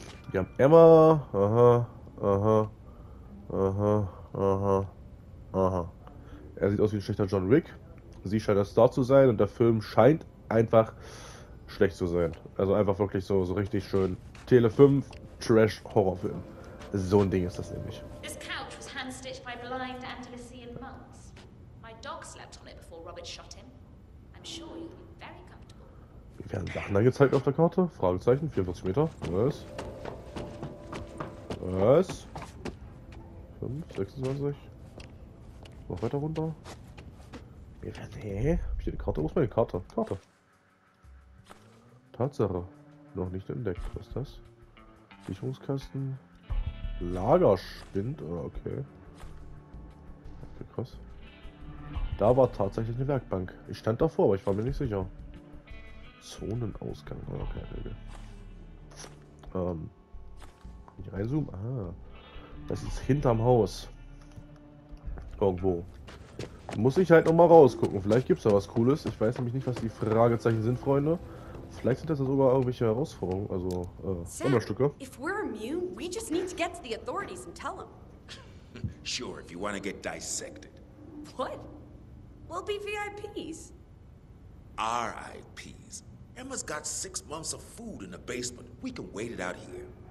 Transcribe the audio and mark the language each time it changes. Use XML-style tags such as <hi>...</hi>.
<de>Wir haben Emma. Aha. Aha. Aha. Aha. Aha. Er sieht aus wie ein schlechter John Wick. Sie scheint der Star zu sein und der Film scheint einfach schlecht zu sein. Also einfach wirklich so richtig schön. Tele 5 Trash Horrorfilm. So ein Ding ist das nämlich.</de> <en>This couch was hand-stitched by blind Andalusian monks. My dog slept on it before Robert shot him. I'm sure you'll be very comfortable.</en> <de>Wie werden Sachen da gezeigt auf der Karte? Fragezeichen, 44 Meter. Was? Was? 5, 26. Noch weiter runter. Wie werden, hä? Hab ich hier eine Karte? Wo ist meine Karte? Karte. Tatsache. Noch nicht entdeckt. Was ist das? Sicherungskasten. Lagerspind, okay. Krass. Da war tatsächlich eine Werkbank. Ich stand davor, aber ich war mir nicht sicher. Zonenausgang, okay. Kann ich reinzoomen? Ah. Das ist hinterm Haus. Irgendwo. Muss ich halt nochmal rausgucken. Vielleicht gibt es da was Cooles. Ich weiß nämlich nicht, was die Fragezeichen sind, Freunde. Vielleicht sind das ja sogar irgendwelche Herausforderungen, also Sonderstücke.</de> <en>If we're immune, we just need to get to the authorities and tell them. Sure, if you want to get dissected. What? We'll be VIPs. RIPs. Emma's got 6 months of food in the basement. We can wait it out here.</en>